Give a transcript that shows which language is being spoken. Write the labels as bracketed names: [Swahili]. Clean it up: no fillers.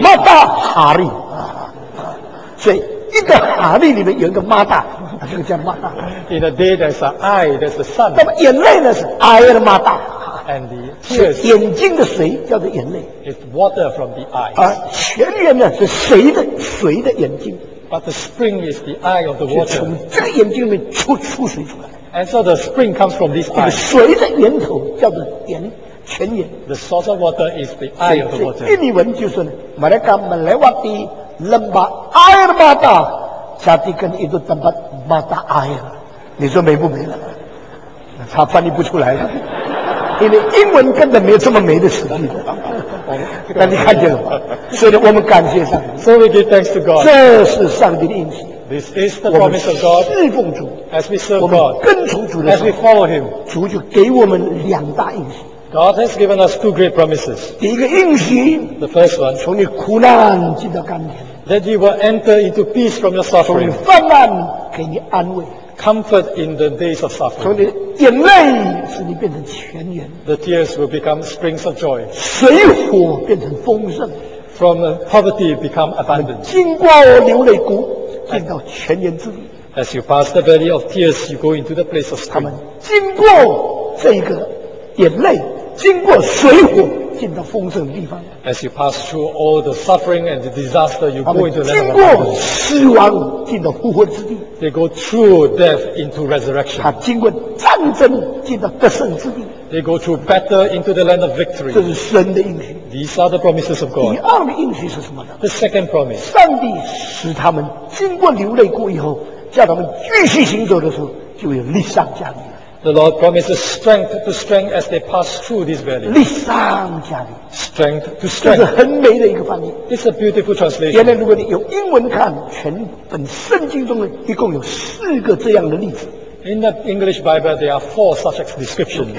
[Indonesian] Mata hari. [Chinese] 所以一个 hari 里面有一个 mata， 这个叫 mata。 [English] In a day, there's an eye, there's the sun. [Chinese] 那么眼泪呢是 eye 的 mata。 [English] And the tears. [Chinese] 眼睛的水叫做眼泪。 [English] It's water from the eyes. [Chinese] 而泉源呢是水的眼睛。 [English] But the spring is the eye of the water. [Chinese] 从这个眼睛里面出水出来。 [English] And so the spring comes from this eye. [Chinese] 水的源头叫做眼泉源。 [English] The source of water is the eye of the water. [Chinese] 印尼文就是 [Indonesian] mereka melewati lembah air mata, jadikan itu tempat mata air. [Chinese] 你说美不美了？他翻译不出来了。因为英文根本没有这么美的词句的，但你看见了吗？所以我们感谢上帝。 [English] So we give thanks to God. [Chinese] 这是上帝的应许。 [English] This is the promise of God. [Chinese] 侍奉主。 [English] As we serve God. [Chinese] 我们跟从主的时候。 [English] As we follow Him. [Chinese] 主就给我们两大应许。 [English] God has given us two great promises. [Chinese] 第一个应许。 [English] The first one. [Chinese] 从你苦难进到甘甜。 [English] That you will enter into peace from your suffering. [Chinese] 从你患难给你安慰。 [English] Comfort in the days of suffering. [Chinese] 从你眼泪使你变成泉源。 [English] The tears will become springs of joy. [Chinese] 水火变成丰盛。 [English] From poverty become abundance. [Chinese] 经过流泪谷，进到泉源之地。 [English] As you pass the valley of tears, you go into the place of spring. [Chinese] 他们经过这个眼泪，经过水火，进到丰盛的地方。 [English] As you pass through all the suffering and the disaster, you go into [Chinese] heaven. 经过死亡，进到复活之地。 [English] They go through death into resurrection. [Chinese] 他经过战争，进到得胜之地。 [English] They go through battle into the land of victory. [Chinese] 这是神的应许。 [English] These are the promises of God. [Chinese] 第二个应许是什么呢？ [English] The second promise. [Chinese] 上帝使他们经过流泪谷以后，叫他们继续行走的时候，就有力上加力。 [English] The Lord promises strength to strength as they pass through this valley. [Chinese] 力上加力。 [English] Strength to strength. [Chinese] 这是很美的一个翻译。 [English] It's a beautiful translation. [Chinese] 原来如果你用英文看，全本圣经中一共有四个这样的例子。 [English] In the English Bible, there are four such descriptions.